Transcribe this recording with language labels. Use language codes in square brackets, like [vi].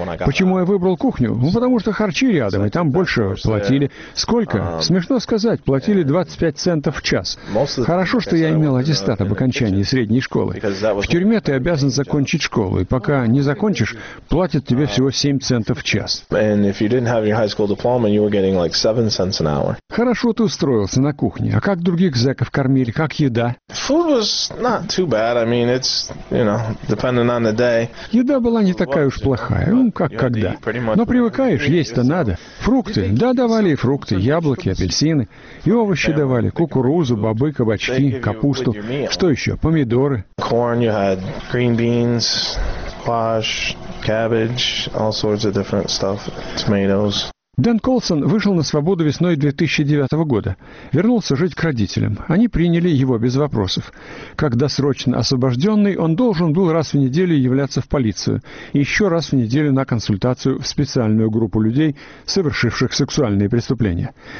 [ru] Почему я выбрал кухню? Ну, потому что харчи рядом, и там больше платили. Сколько? Смешно сказать, платили 25 центов в час. Хорошо, что я имел аттестат об окончании средней школы. В тюрьме ты обязан закончить школу, и пока не закончишь, платят тебе всего 7 центов в час. [en] And if you didn't have your high school diploma, you were getting like 7 cents an hour. [ru] Хорошо ты устроился на кухне. А как других зэков кормили? Как еда? [en] Food was not too bad. I mean, it's, you know, depending on the day. [ru] Еда была не такая уж плохая, ну, как когда. Но привыкаешь, есть-то надо. Фрукты. Да, давали и фрукты, яблоки, апельсины. И овощи давали. Кукурузу, бобы, кабачки, капусту. Что еще? Помидоры. [en] Corn, you had green beans. Squash, cabbage, all sorts of different stuff, tomatoes. [ru] Дэн Колсон вышел на свободу весной 2009 года. Вернулся жить к родителям. Они приняли его без вопросов. Как досрочно освобожденный, он должен был раз в неделю являться в полицию. И еще раз в неделю на консультацию в специальную группу людей, совершивших сексуальные преступления.